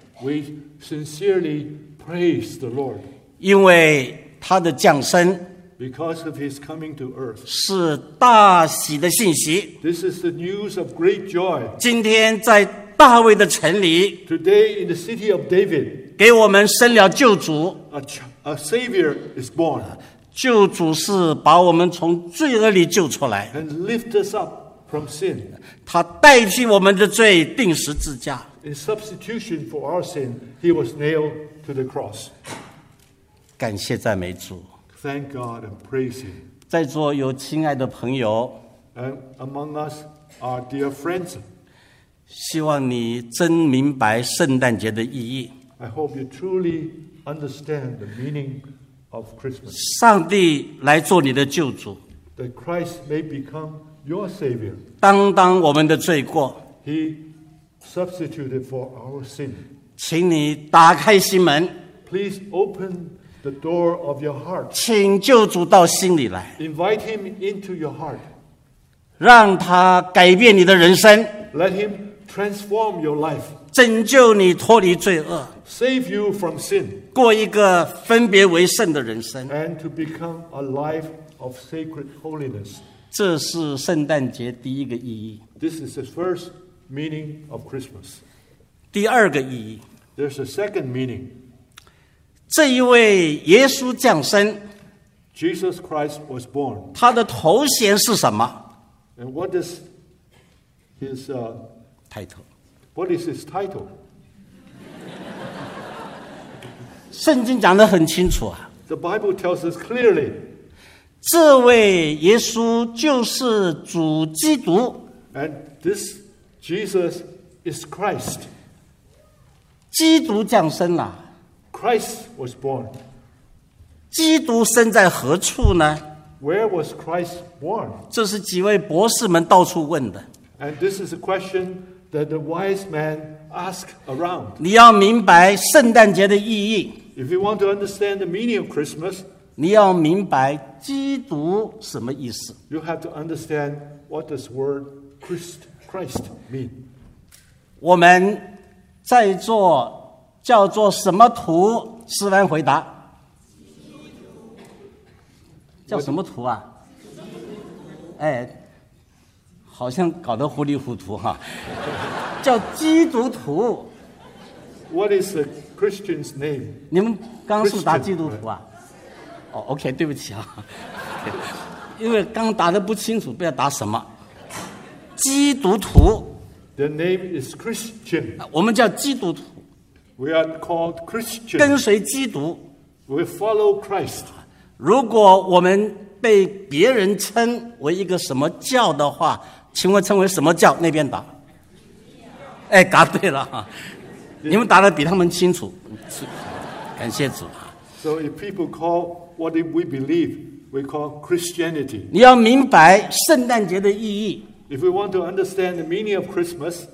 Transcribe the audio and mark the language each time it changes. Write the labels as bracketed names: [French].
[English] We sincerely praise the Lord. [Chinese] 因为他的降生。 [English] Because of his coming to earth. [Chinese] 是大喜的信息。 [English] This is the news of great joy. [Chinese] 今天在大卫的城里。 [English] Today in the city of David. [Chinese] 给我们生了救主 [English] A savior is born [Chinese] 救主是把我们从罪恶里救出来 [English] And lift us up from sin [Chinese] 他代替我们的罪钉十字架 [English] In substitution for our sin He was nailed to the cross [Chinese] 感谢赞美主 [English] Thank God and praise Him [Chinese] 在座有亲爱的朋友 [English] And among us are dear friends [Chinese] 希望你真明白圣诞节的意义 [English] I hope you truly understand the meaning of Christmas. [Chinese] 上帝来做你的救主。 [English] That Christ may become your savior. [Chinese] 当当我们的罪过。 [English] He substituted for our sin. [Chinese] 请你打开心门。 [English] Please open the door of your heart. [Chinese] 请救主到心里来。 [English] Invite him into your heart. [Chinese] 让他改变你的人生。 [English] Let him transform your life. [Chinese] 拯救你脱离罪恶。 [English] Save you from sin. [Chinese] 过一个分别为圣的人生。 [English] And to become a life of sacred holiness. [Chinese] 这是圣诞节第一个意义。 [English] This is the first meaning of Christmas. [Chinese] 第二个意义。 [English] There's a second meaning. [Chinese] 这一位耶稣降生。 [English] Jesus Christ was born. [Chinese] 他的头衔是什么？ [English] And what is his, title? What is his title? [Chinese] 圣经讲得很清楚啊。 [English] The Bible tells us clearly. [Chinese] 这位耶稣就是主基督。 [English] And this Jesus is Christ. [Chinese] 基督降生了。 [English] Christ was born. [Chinese] 基督生在何处呢？ [English] Where was Christ born? [Chinese] 这是几位博士们到处问的。 [English] And this is a question that the wise man asked around. [Chinese] 你要明白圣诞节的意义。 [English] If you want to understand the meaning of Christmas, [Chinese] 你要明白基督什么意思。 [English] You have to understand what this word Christ mean. [Chinese] 我们在座叫做什么徒？师班回答。叫什么徒啊？哎，好像搞得糊里糊涂哈、啊。叫基督徒。 [English] What is a Christian's name? [Chinese] 你们刚是答基督徒啊？哦、oh, ，OK， 对不起啊，因为刚答的不清楚，不要答什么。基督徒。 [English] The name is Christian. [Chinese] 我们叫基督徒。 [English] We are called Christian. [Chinese] 跟随基督。 [English] We follow Christ. [Chinese] 如果我们被别人称为一个什么教的话，请问称为什么教？那边答。哎，答对了，你们答得比他们清楚，感谢主。 [English] So if people call what we believe, we call Christianity. [Chinese] 你要明白圣诞节的意义。 [English] If we want to understand the meaning of Christmas,